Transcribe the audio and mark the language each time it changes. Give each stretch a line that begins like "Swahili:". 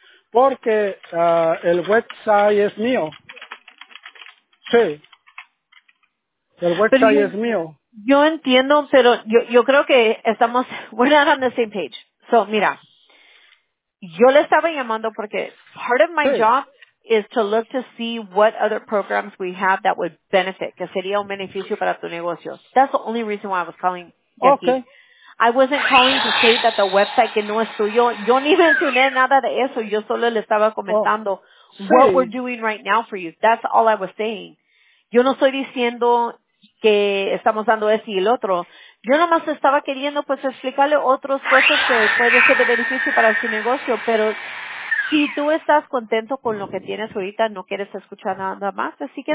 Spanish: Porque el website es mío. Sí. El website pero es mío. Yo entiendo, pero yo creo que estamos,
English: we're not on the same page.
Spanish: So, mira, yo le estaba llamando porque
English: part of my
Spanish: sí.
English: Job is to look to see what other programs we have that would benefit,
Spanish: que sería un beneficio para tu negocio.
English: That's the only reason why I was calling you. Okay. I wasn't calling to say that the website
Spanish: que no es tuyo, yo ni mencioné nada de eso, yo solo le estaba comentando sí.
English: What we're doing right now for you. That's all I was saying.
Spanish: Yo no estoy diciendo que estamos dando ese y el otro. Yo nomás estaba queriendo pues explicarle otros cosas que puede ser de beneficio para su negocio, pero si tú estás contento con lo que tienes ahorita, no quieres escuchar nada más, así que